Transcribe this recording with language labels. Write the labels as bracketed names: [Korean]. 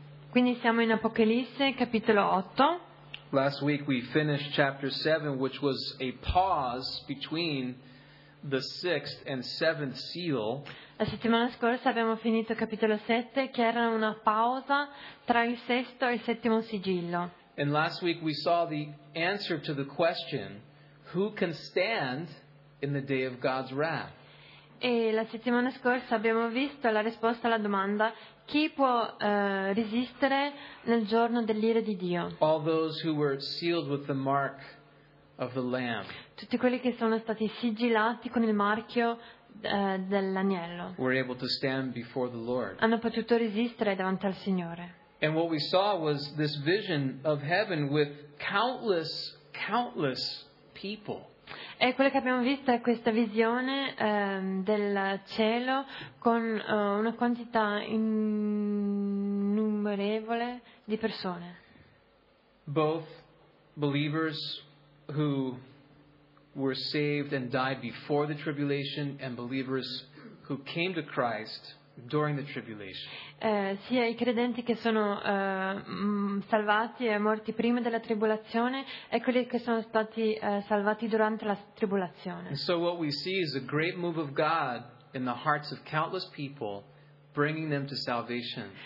[Italian] Quindi siamo in Apocalisse capitolo 8. [English] Last week we finished chapter 7, which was a pause between the 6th and 7th seal. [Italian] La settimana scorsa abbiamo finito capitolo 7, che era una pausa tra il sesto e il settimo sigillo. [English] And last week we saw the answer to the question, who can stand in the day of God's wrath? [Italian] E la settimana scorsa abbiamo visto la risposta alla domanda: chi può resistere nel giorno dell'ira di Dio? [English] All those who were sealed with the mark of the Lamb. [Italian] Tutti quelli che sono stati sigillati con il marchio dell'agnello. [English] Were able to stand before the Lord. [Italian] Hanno potuto resistere davanti al Signore. [English] And what we saw was this vision of heaven with countless, countless people. [Italian] E quello che abbiamo visto è questa visione del cielo con una quantità innumerevole di persone. [English] Both believers who were saved and died before the tribulation and believers who came to Christ during the tribulation. [Italian] Sia i credenti che sono salvati e morti prima della tribolazione e quelli che sono stati salvati durante la tribolazione. [English] And so what we see is a great move of God in the hearts of countless people, bringing them to salvation.